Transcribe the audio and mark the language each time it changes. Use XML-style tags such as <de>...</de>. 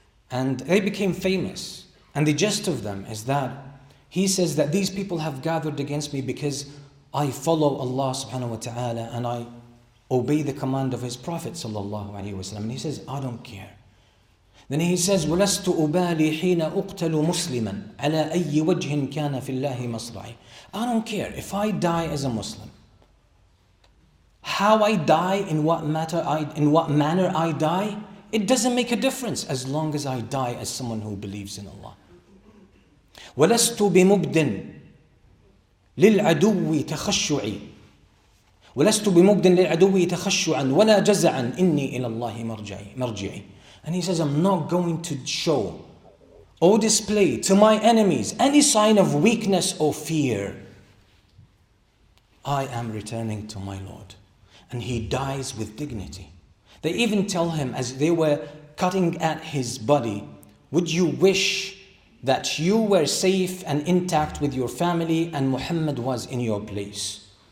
<en>And they became famous. And the gist of them is that he says that these people have gathered against me because I follow Allah subhanahu wa ta'ala and I obey the command of his Prophet sallallahu alayhi wa sallam. And he says, I don't care. Then he says,</en> <ar>وَلَسْتُ أُبَالِي حِينَ أُقْتَلُ مُسْلِمًا عَلَىٰ أَيِّ وَجْهٍ كَانَ فِي اللَّهِ مَصْرَعِ.</ar> <en>I don't care. If I die as a Muslim, how I die, in what manner I die, it doesn't make a difference as long as I die as someone who believes in Allah.</en> <ar>وَلَسْتُ بِمُبْدٍ للعدو تخشعي ولست بمبد للعدو تخشعا ولا جزعا إني إلى الله مرجعي.</ar> <en>And he says, I'm not going to show or display to my enemies any sign of weakness or fear. I am returning to my Lord. And he dies with dignity. They even tell him, as they were cutting at his body, would you wish that you were safe and intact with your family and Muhammad was in your place?</en>